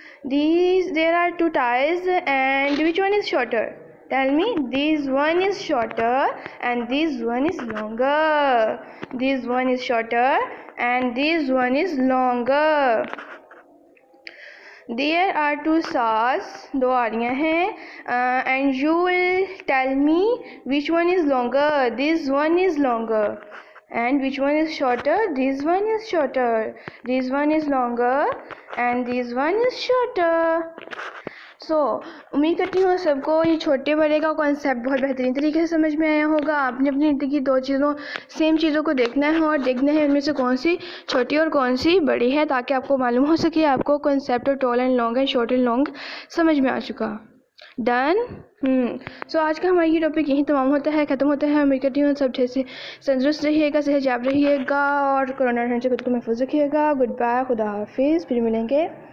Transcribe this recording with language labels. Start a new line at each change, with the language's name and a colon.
English: These there are two ties and which one is shorter? Tell me, these one is shorter and these one is longer, these one is shorter and these one is longer. There are two saws,
Urdu: دو آریاں ہیں،
English: and you will tell me which one is longer. This one is longer. And which one is shorter? This one is shorter. This one is longer and this one is shorter.
Urdu: سو امید کرتی ہوں سب کو یہ چھوٹے بڑے کا concept بہت بہترین طریقے سے سمجھ میں آیا ہوگا۔ آپ نے اپنی زندگی دو چیزوں، سیم چیزوں کو دیکھنا ہے اور دیکھنا ہے ان میں سے کون سی چھوٹی اور کون سی بڑی ہے، تاکہ آپ کو معلوم ہو سکے آپ کو concept of tall and long and short and long سمجھ میں آ چکا۔ ڈن۔ سو آج کا ہمارا یہ ٹاپک یہیں تمام ہوتا ہے، ختم ہوتا ہے۔ امید کرتی ہوں سب جیسے تندرست رہیے گا، صحت یاب رہیے گا اور کرونا سے خود کو محفوظ رکھیے گا۔ گڈ بائے، خدا حافظ، پھر ملیں گے۔